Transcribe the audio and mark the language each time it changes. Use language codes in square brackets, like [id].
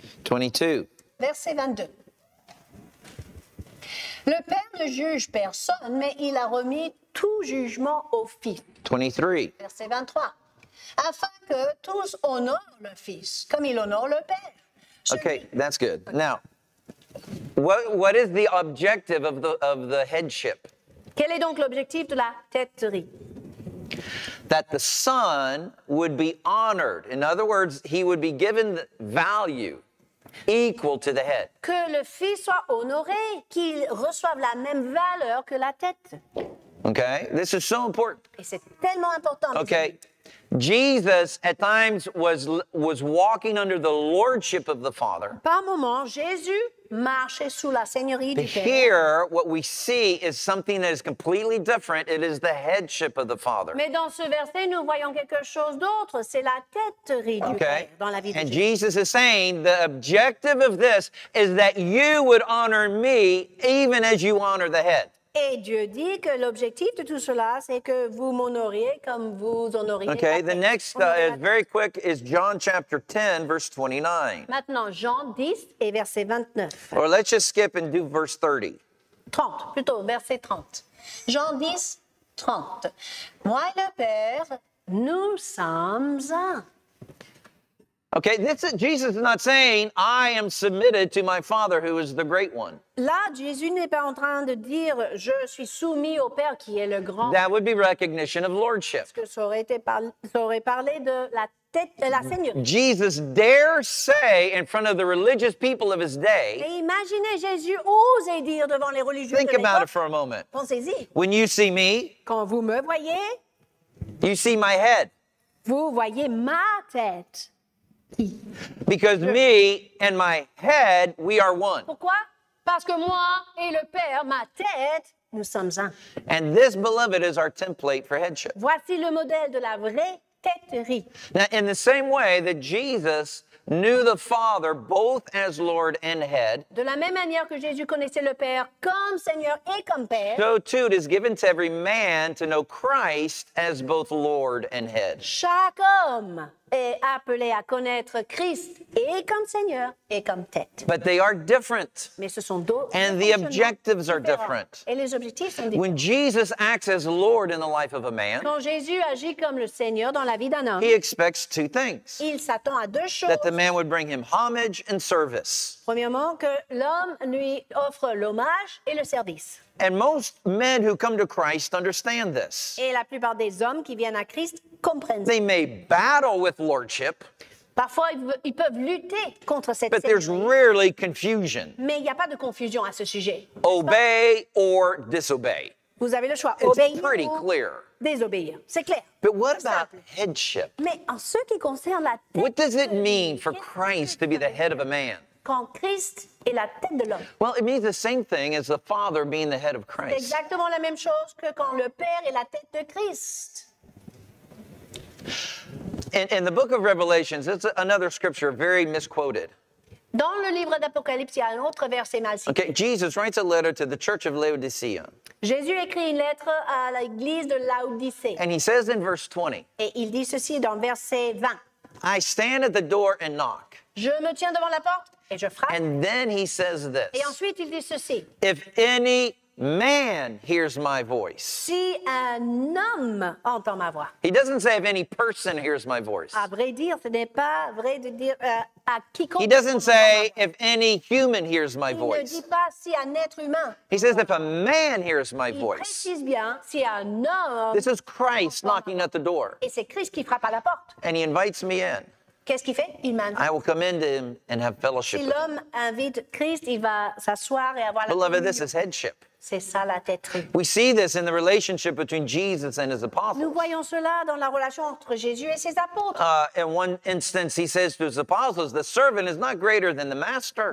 [en] 22. [fr] Verset 22. Le Père ne juge personne, mais il a remis tout jugement au Fils. 23. Verset 23. Afin que tous honorent le Fils, comme il honore le Père. [en] Okay, that's good. Now, what is the objective of the headship? [fr] Quel est donc l'objectif de la têterie? [en] That the Son would be honored. In other words, he would be given value. Equal to the head. [fr] Que le fils soit honoré, qu'il reçoive la même valeur que la tête. [en] Okay, this is so important. [fr] Et c'est tellement important. [en] Okay, Jesus at times was walking under the lordship of the Father. [fr] Par moment, Jésus marchait sous la seigneurie du Père. [en] Here, what we see is something that is completely different. It is the headship of the Father. [fr] Mais dans ce verset, nous voyons quelque chose d'autre. C'est la têterie du [en] okay. [fr] Père dans la vie de [en] And [fr] Jésus. [en] Jesus is saying the objective of this is that you would honor me even as you honor the head. [fr] Et Dieu dit que l'objectif de tout cela, c'est que vous m'honoriez comme vous honoriez. [en] Okay, the next, very quick, is John chapter 10, verse 29. [fr] Maintenant, Jean 10 et verset 29. [en] Or let's just skip and do verse 30. [fr] 30, plutôt, verset 30. Jean 10, 30. Moi et le Père, nous sommes un. [en] Okay, Jesus is not saying, I am submitted to my Father who is the great one. [fr] Là, Jésus n'est pas en train de dire, je suis soumis au Père qui est le grand. [en] That would be recognition of lordship. [fr] Parce que ça aurait parlé de la tête de la seigneurie. [en] Jesus dare say in front of the religious people of his day. [fr] Et imaginez, Jésus osait dire devant les religieux [en] think [fr] de l'époque. [en] Think about it for a moment. [fr] Pensez-y. [en] When you see me. [fr] Quand vous me voyez. [en] You see my head. [fr] Vous voyez ma tête. [en] Because me and my head, we are one. [fr] Pourquoi? Parce que moi et le Père, ma tête, nous sommes un. [en] And this, beloved, is our template for headship. [fr] Voici le modèle de la vraie têterie. [en] Now, in the same way that Jesus knew the Father both as Lord and head. [fr] De la même manière que Jésus connaissait le Père comme Seigneur et comme Père. [en] So too it is given to every man to know Christ as both Lord and head. [fr] Chaque homme est appelé à connaître Christ et comme Seigneur et comme tête. [en] But they are different. [fr] Mais ce sont d'autres. [en] And the objectives are different. [fr] Et les objectifs sont différents. [en] When Jesus acts as Lord in the life of a man. [fr] Quand Jésus agit comme le Seigneur dans la vie d'un homme. [en] He expects two things. [fr] Il s'attend à deux choses. [en] That the man would bring him homage and service. [fr] Premièrement, que l'homme lui offre l'hommage et le service. [en] And most men who come to Christ understand this. [fr] Et la plupart des hommes qui viennent à Christ comprennent. [en] They may battle with lordship. [fr] Parfois, ils peuvent lutter contre cette [en] But there's rarely confusion. [fr] Mais il n'y a pas de confusion à ce sujet. [en] Obey or disobey. [fr] Vous avez le choix. [en] It's [fr] obéir [en] pretty [fr] ou [en] clear. [fr] Désobéir. C'est clair. [en] But what about headship? [fr] Mais en ce qui concerne la tête. [en] What does it mean for Christ to be the head of a man? [fr] Quand Christ est la tête de l'homme. [en] Well, it means the same thing as the Father being the head of Christ. [fr] C'est exactement la même chose que quand le Père est la tête de Christ. [en] In the book of Revelations, it's another scripture very misquoted. [fr] Dans le livre d'Apocalypse, il y a un autre verset mal cité. [en] Okay, Jesus writes a letter to the church of Laodicea. [fr] Jésus écrit une lettre à l'église de Laodicée. [en] And he says in verse 20. [fr] Et il dit ceci dans verset 20. [en] I stand at the door and knock. [fr] Je me tiens devant la porte et je frappe. [en] And then he says this. [fr] Et ensuite il dit ceci. [en] If any man hears my voice. [fr] Si un homme entend ma voix. [en] He doesn't say if any person hears my voice. [fr] À vrai dire, ce n'est pas vrai de dire à quiconque. [en] He doesn't say if any human hears my voice. [fr] Il ne dit pas si un être humain. [en] He says if a man hears my voice. [fr] Il précise bien si un homme. [en] This is Christ knocking at the door. [fr] Et c'est Christ qui frappe à la porte. [en] And he invites me in. [fr] Qu'est-ce qu'il fait? Il m'invite. [en] I will come into him and have fellowship. [fr] Si l'homme invite Christ, il va s'asseoir et avoir la communion. [en] Beloved, this is headship. [fr] C'est ça la tétrie. [en] We see this in the relationship between Jesus and his apostles. [fr] Nous voyons cela dans la relation entre Jésus et ses apôtres. [en] In one instance, he says to his apostles, "The servant is not greater than the master."